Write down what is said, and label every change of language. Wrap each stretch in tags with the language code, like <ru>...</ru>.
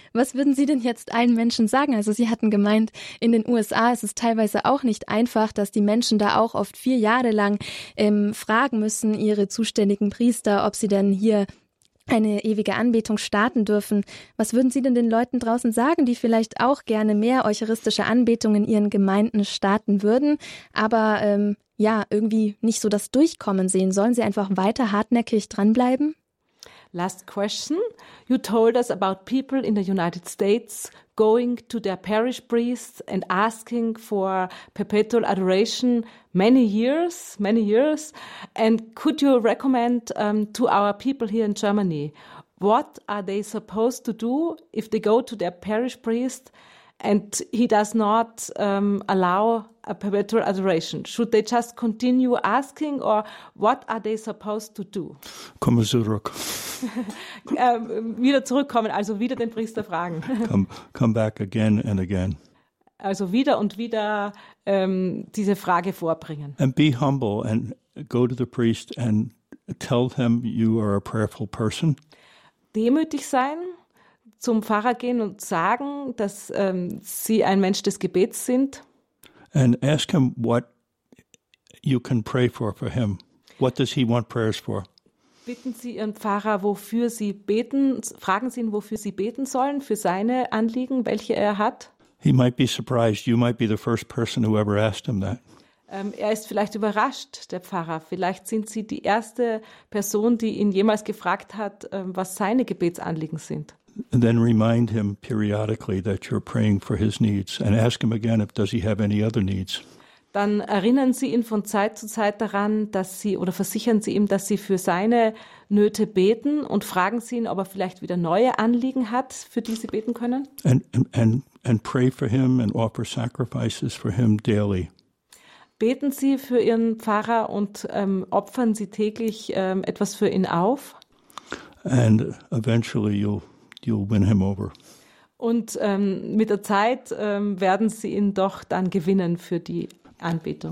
<de>Was würden Sie denn jetzt allen Menschen sagen? Also Sie hatten gemeint, in den USA ist es teilweise auch nicht einfach, dass die Menschen da auch oft 4 Jahre lang fragen müssen, ihre zuständigen Priester, ob sie denn hier eine ewige Anbetung starten dürfen. Was würden Sie denn den Leuten draußen sagen, die vielleicht auch gerne mehr eucharistische Anbetung in ihren Gemeinden starten würden, aber irgendwie nicht so das Durchkommen sehen? Sollen sie einfach weiter hartnäckig dranbleiben?</de> <en>Last question. You told us about people in the United States going to their parish priests and asking for perpetual adoration many years. And could you recommend to our people here in Germany, what are they supposed to do if they go to their parish priest and he does not allow a perpetual adoration? Should they just continue asking, or what are they supposed to do?</en> <de>Kommen Sie zurück. Wieder zurückkommen, also wieder den Priester fragen.</de> <en>come back again and again.</en> <de>Also wieder und wieder diese Frage vorbringen.</de> <en>And be humble and go to the priest and tell him you are a prayerful person.</en> <de>Demütig sein, zum Pfarrer gehen und sagen, dass sie ein Mensch des Gebets sind.</de> <en>And ask him what you can pray for him. What does he want prayers for?</en> <de>Bitten Sie Ihren Pfarrer, wofür Sie beten, fragen Sie ihn, wofür Sie beten sollen, für seine Anliegen, welche er hat.</de> <en>He might be surprised. You might be the first person who ever asked him that.</en> <de>Er ist vielleicht überrascht, der Pfarrer. Vielleicht sind Sie die erste Person, die ihn jemals gefragt hat, was seine Gebetsanliegen sind.</de> <en>And then remind him periodically that you're praying for his needs and ask him again if does he have any other needs.</en> <de>Dann erinnern Sie ihn von Zeit zu Zeit daran, dass Sie, oder versichern Sie ihm, dass Sie für seine Nöte beten, und fragen Sie ihn, ob er vielleicht wieder neue Anliegen hat, für die Sie beten können.</de> <en>And pray for him and offer sacrifices for him daily.</en> <de>Beten Sie für Ihren Pfarrer und opfern Sie täglich etwas für ihn auf.</de> <en>And eventually you'll win him over.</en> <de>Und mit der Zeit werden Sie ihn doch dann gewinnen für die Anbetung.</de>